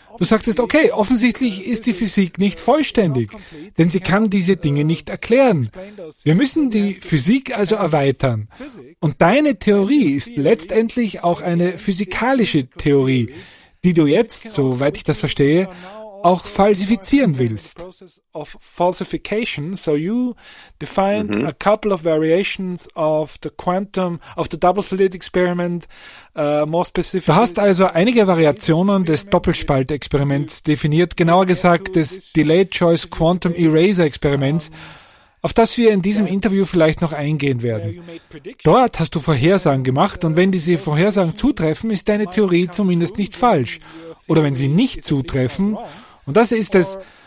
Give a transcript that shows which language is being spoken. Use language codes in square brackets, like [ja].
[de] Du sagtest, okay, offensichtlich ist die Physik nicht vollständig, denn sie kann diese Dinge nicht erklären. Wir müssen die Physik also erweitern. Und deine Theorie ist letztendlich auch eine physikalische Theorie, die du jetzt, soweit ich das verstehe, auch falsifizieren willst. [en] Of falsification, so you defined a couple of variations of the quantum of the double slit experiment, more specifically. [de] Du hast also einige Variationen des Doppelspaltexperiments definiert, genauer gesagt des Delayed Choice Quantum Eraser Experiments, auf das wir in diesem Interview vielleicht noch eingehen werden. Dort hast du Vorhersagen gemacht und wenn diese Vorhersagen zutreffen, ist deine Theorie zumindest nicht falsch. Oder wenn sie nicht zutreffen, und das ist es,